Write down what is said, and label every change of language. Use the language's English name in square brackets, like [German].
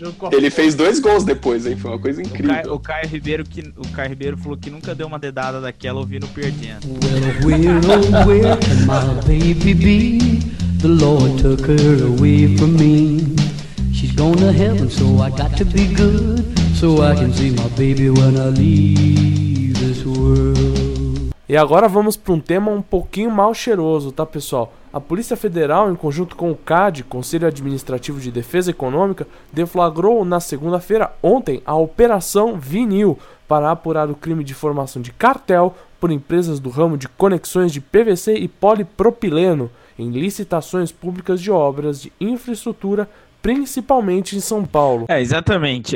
[Portuguese] ele fez dois gols depois, hein? Foi uma coisa incrível. O Caio Ribeiro falou que nunca deu uma dedada daquela ouvindo perdendo. [English] Well, where, oh, where can my baby be? The Lord took her away from me. She's going to heaven, so I got to be good. So I can see my baby when I leave this world. [Portuguese] E agora vamos para um tema um pouquinho mal cheiroso, tá, pessoal? A Polícia Federal, em conjunto com o CAD, Conselho Administrativo de Defesa Econômica, deflagrou na segunda-feira, ontem, a Operação Vinil, para apurar o crime de formação de cartel por empresas do ramo de conexões de PVC e polipropileno em licitações públicas de obras de infraestrutura, principalmente em São Paulo. É, exatamente.